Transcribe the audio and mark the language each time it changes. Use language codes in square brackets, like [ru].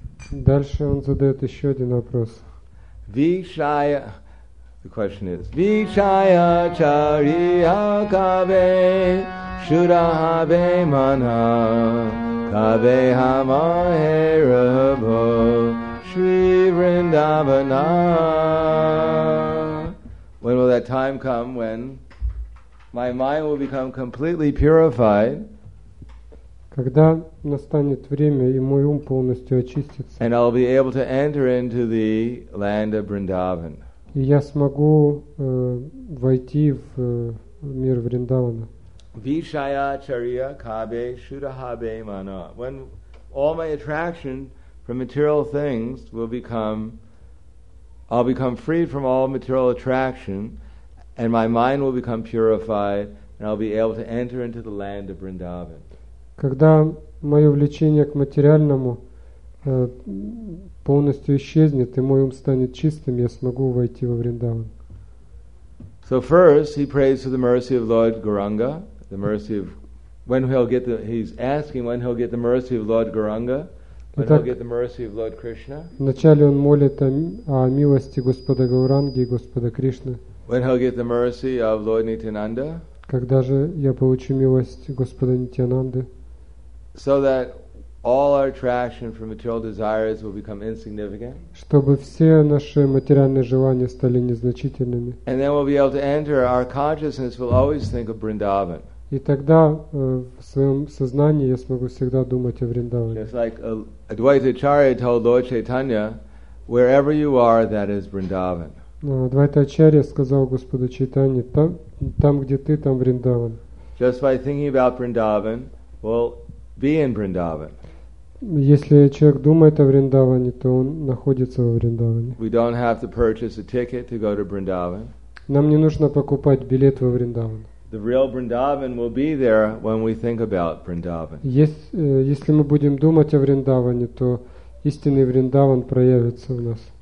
[ru] Дальше он задает еще один вопрос. [en] Вишая, the question is. [bn] Вишая чария кабе шурахабе манах Shri Vrindavana. [en] When will that time come when my mind will become completely purified? [ru] Когда настанет время и мой ум полностью очистится? [en] And I'll be able to enter into the land of Vrindavan. [ru] И я смогу войти в мир Вриндавана. [bn] Vishaya charya kabe shudahabe mana. [en] When all my attraction from material things will become, I'll become freed from all material attraction, and my mind will become purified, and I'll be able to enter into the land of Vrindavan. [ru] Когда мое влечение к материальному полностью исчезнет, и мой ум станет чистым, я смогу войти во Вриндаван. [en] So first, he prays for the mercy of Lord Gauranga, the mercy of when he'll get the. He's asking when he'll get the mercy of Lord Gauranga. When he'll get the mercy of Lord Krishna. [ru] Вначале он молит о милости Господа Гауранги и Господа Кришны. [en] When he'll get the mercy of Lord Nityananda. [ru] Когда же я получу милость Господа Нитьянанды? [en] So that all our attraction for material desires will become insignificant. [ru] Чтобы все наши материальные желания стали незначительными. [en] And then we'll be able to enter. Our consciousness will always think of Vrindavan. [ru] И тогда в своем сознании я смогу всегда думать о Вриндаване. [en] Just like Advaita Acharya told Lord Chaitanya, wherever you are, that is Vrindavan. [ru] Advaita Acharya сказал Господу Чайтанье, там где ты, там Вриндаван. [en] Just by thinking about Vrindavan, we'll be in Vrindavan. [ru] Если человек думает о Вриндаване, то он находится во Вриндаване. [en] We don't have to purchase a ticket to go to Vrindavan. [ru] Нам не нужно покупать билет во Вриндаван. [en] The real Vrindavan will be there when we think about Vrindavan. [ru] Если мы будем думать о Вриндаване, то истинный Вриндаван проявится в нас.